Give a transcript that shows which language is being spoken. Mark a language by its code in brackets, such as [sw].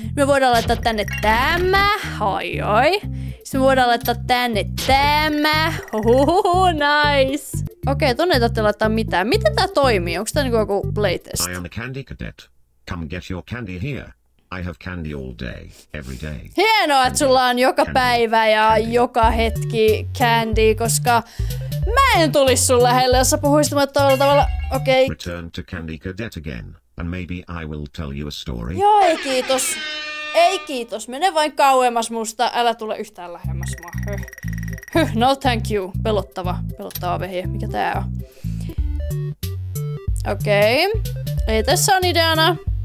[fi] Me voidaan laittaa tänne tämä. Oi. Sitten voidaan laittaa tänne tämä. Huhuhu, nice. Okei, tonne ei tarvitse laittaa mitään. Miten tää toimii? Onko tää niinku joku playtest? [en] I am a candy cadet. Come get your candy here. I have candy all day, every day. [fi] Hienoa, että sulla on joka candy, päivä ja candy, joka hetki candy, koska mä en tulis sun lähelle, jos sä puhuisit mulle tavalla tavalla. Okei. Okay. [en] Return to candy cadet again, and maybe I will tell you a story. [fi] Joo, ei kiitos. Ei kiitos, mene vain kauemmas musta, älä tule yhtään lähemmäs mua. [en] No thank you, [fi] pelottava vehje, mikä tää on. Okei, okay. Ei tässä on ideana.